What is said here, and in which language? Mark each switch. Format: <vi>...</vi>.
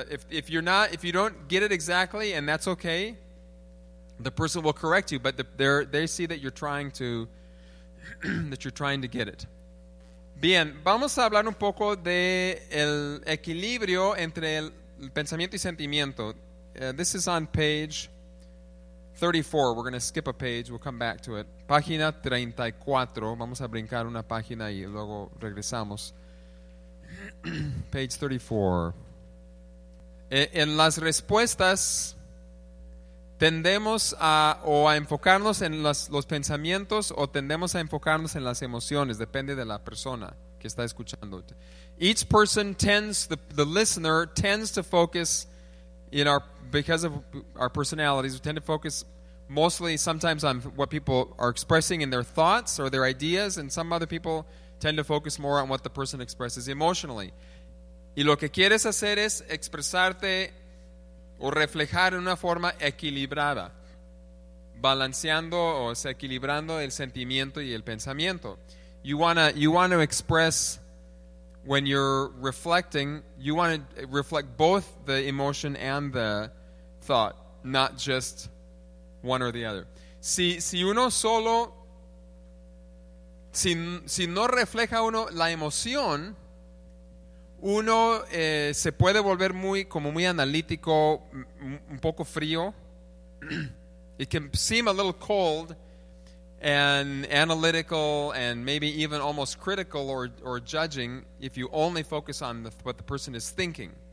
<en>If you don't get it exactly, and that's okay, the person will correct you. But they see that you're trying to get it.</en> <es>Bien, vamos a hablar un poco de el equilibrio entre el pensamiento y sentimiento.</es> <en>This is on page 34. We're going to skip a page. We'll come back to it.</en> <es>Página 34. Vamos a brincar una página y luego regresamos.</es> <en>Page 34.</en> <es>En las respuestas tendemos a enfocarnos en los pensamientos o tendemos a enfocarnos en las emociones. Depende de la persona que está escuchando.</es> <en>Each person tends, the listener tends to focus in our, because of our personalities, we tend to focus mostly sometimes on what people are expressing in their thoughts or their ideas, and some other people tend to focus more on what the person expresses emotionally.</en> <es>Y lo que quieres hacer es expresarte o reflejar en una forma equilibrada, balanceando o sea, equilibrando el sentimiento y el pensamiento.</es> <en>You want to express, when you're reflecting, you want to reflect both the emotion and the thought, not just one or the other.</en> <es>Si uno solo, si no refleja uno la emoción, uno se puede volver muy analítico, un poco frío.</es> <en>It can seem a little cold and analytical and maybe even almost critical or judging if you only focus on what the person is thinking.</en>